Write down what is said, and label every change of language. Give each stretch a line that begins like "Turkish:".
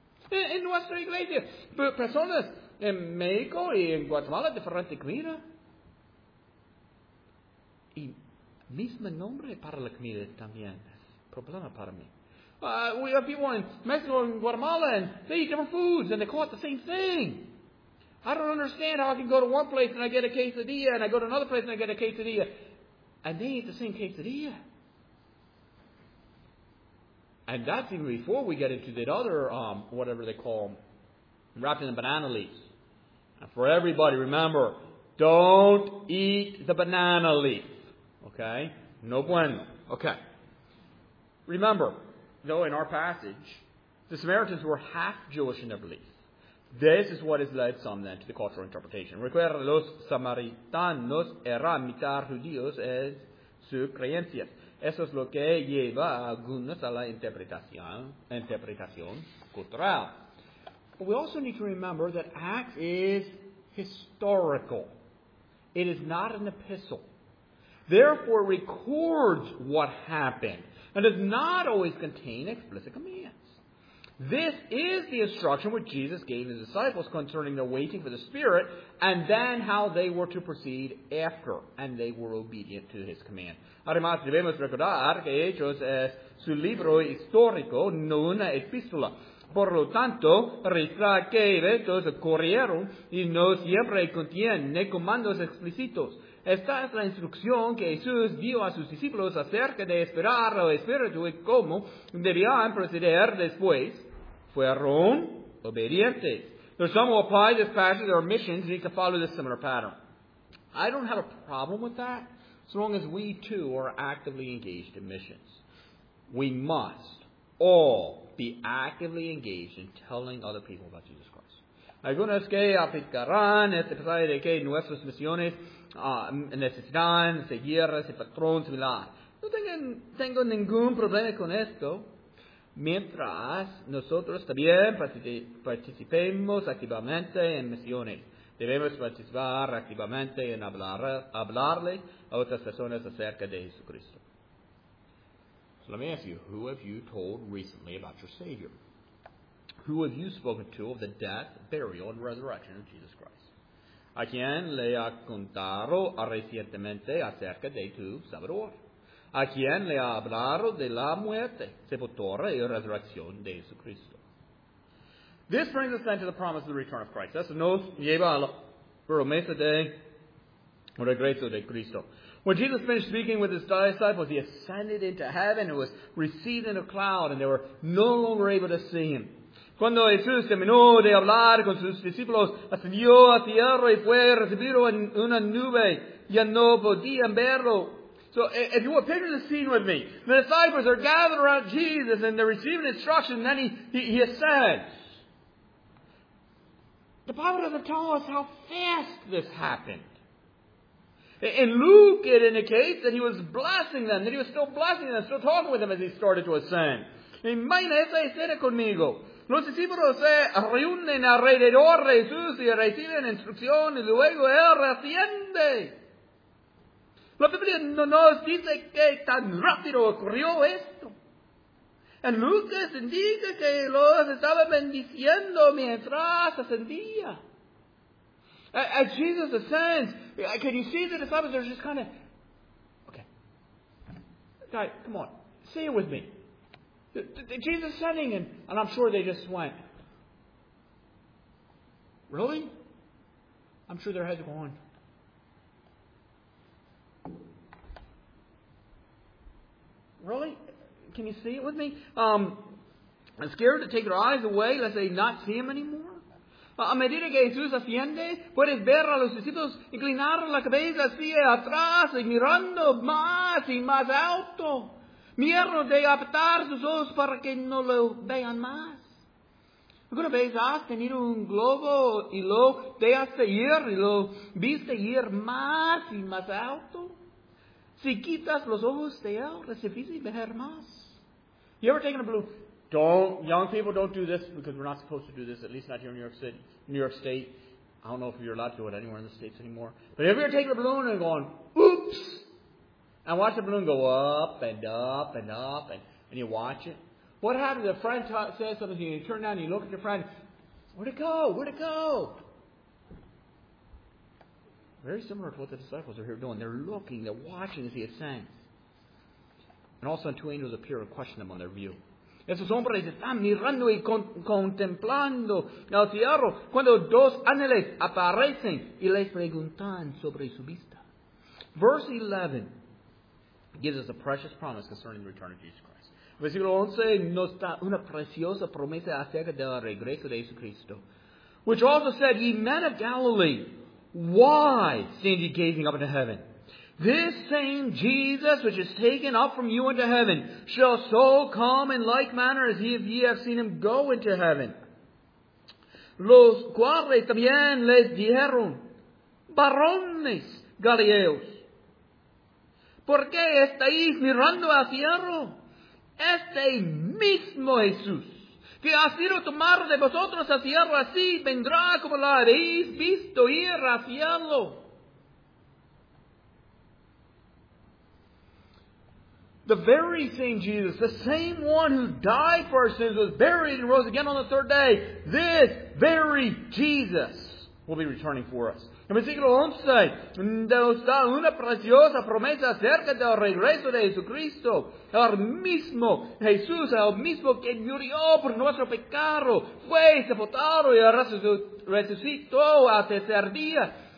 Spanish: En nuestra iglesia, personas en México y en Guatemala, diferente comida. Y mismo nombre para la comida también. Problema para mí.
English: We have people in Mexico and Guatemala, and they eat different foods, and they call it the same thing. I don't understand how I can go to one place and I get a quesadilla, and I go to another place and I get a quesadilla, and they eat the same quesadilla. And that's even before we get into that other, whatever they call them, wrapped in the banana leaves. And for everybody, remember, don't eat the banana leaf. Okay?
Spanish: No bueno.
English: Okay. Remember, though, in our passage, the Samaritans were half Jewish in their belief. This is what has led some then to the cultural interpretation.
Spanish: Recuerda, los Samaritanos eran mitad judíos en su creencia. Eso es lo que lleva a algunos a la interpretación cultural.
English: But we also need to remember that Acts is historical. It is not an epistle. Therefore, it records what happened and does not always contain explicit commands. This is the instruction which Jesus gave his disciples concerning the waiting for the Spirit and then how they were to proceed after, and they were obedient to his command.
Spanish: Además, debemos recordar que Hechos es su libro histórico, no una epístola. Por lo tanto, registra que eventos ocurrieron y no siempre contiene comandos explícitos. Esta es la instrucción que Jesús dio a sus discípulos acerca de esperar al Espíritu y cómo debían proceder después. Fueron obedientes.
English: There's some who apply this passage to their missions and need to follow this similar pattern. I don't have a problem with that, as long as we too are actively engaged in missions. We must all be actively engaged in telling other people about Jesus Christ.
Spanish: Algunos que aplicarán este pasaje de que nuestras misiones necesitan seguir ese patrón similar. No tengo ningún problema con esto. Mientras nosotros también participemos activamente en misiones, debemos participar activamente en hablarle a otras personas acerca de Jesucristo.
English: So let me ask you, who have you told recently about your Savior? Who have you spoken to of the death, burial, and resurrection of Jesus Christ?
Spanish: ¿A quién le ha contado recientemente acerca de tu Salvador? ¿A quién le ha hablado de la muerte, sepultura y resurrección de Jesucristo?
English: This brings us then to the promise of the return of Christ.
Spanish: Eso nos lleva a la promesa de regreso de Cristo.
English: When Jesus finished speaking with his disciples, he ascended into heaven and was received in a cloud, and they were no longer able to see him.
Spanish: Cuando Jesús terminó de hablar con sus discípulos, ascendió a tierra y fue recibido en una nube. Ya no podían verlo.
English: So if you will picture the scene with me, the disciples are gathered around Jesus and they're receiving instruction, and then he ascends. The Bible doesn't tell us how fast this happened. In Luke, it indicates that he was blessing them, that he was still blessing them, still talking with them as he started to ascend.
Spanish: Imagina esa escena conmigo. Los discípulos se reúnen alrededor de Jesús y reciben instrucción y luego él asciende. La Biblia no nos dice que tan rápido ocurrió esto. En Lucas indica que los estaba bendiciendo mientras ascendía.
English: As Jesus ascends, can you see the disciples are just kind of, okay. Guy, come on, say it with me. Jesus ascending, and I'm sure they just went, really? I'm sure their heads are going. Really? Can you see it with me? I'm scared to take their eyes away, lest they not see him anymore.
Spanish: a medida que Jesús asciende, puedes ver a los discípulos inclinar la cabeza hacia atrás y mirando más y más alto. Miedo de apartar sus ojos para que no lo vean más. ¿Alguna vez has tenido un globo y lo dejaste ir y lo viste ir más y más alto? Si quitas los ojos de él, es difícil ver más.
English: You ever taken a blue? Don't, young people, don't do this because we're not supposed to do this, at least not here in New York City, New York State. I don't know if you're allowed to do it anywhere in the States anymore. But if you're taking a balloon and going, oops, and watch the balloon go up and up and up, and you watch it. What happens if a friend says something to you, and you turn down and you look at your friend, where'd it go? Where'd it go? Very similar to what the disciples are here doing. They're looking, they're watching as he ascends. And all of a sudden, two angels appear and question them on their view.
Spanish: Esos hombres están mirando y contemplando al cielo cuando dos ángeles aparecen y les preguntan sobre su vista.
English: Verse 11 gives us a precious promise concerning the return of Jesus Christ.
Spanish: Versículo 11 nos da una preciosa promesa acerca del regreso de Jesucristo.
English: Which also said, ye men of Galilee, why stand ye gazing up into heaven? This same Jesus, which is taken up from you into heaven, shall so come in like manner as ye have seen him go into heaven.
Spanish: Los cuales también les dijeron, varones galileos, ¿por qué estáis mirando al cielo? Este mismo Jesús, que ha sido tomado de vosotros al cielo, así vendrá como lo habéis visto ir al cielo.
English: The very same Jesus, the same one who died for our sins, was buried and rose again on the third day, this very Jesus will be returning for us.
Spanish: En versículo 11, nos da una preciosa promesa acerca del regreso de Jesucristo. El mismo Jesús, el mismo que murió por nuestro pecado, fue sepultado y resucitó al tercer día.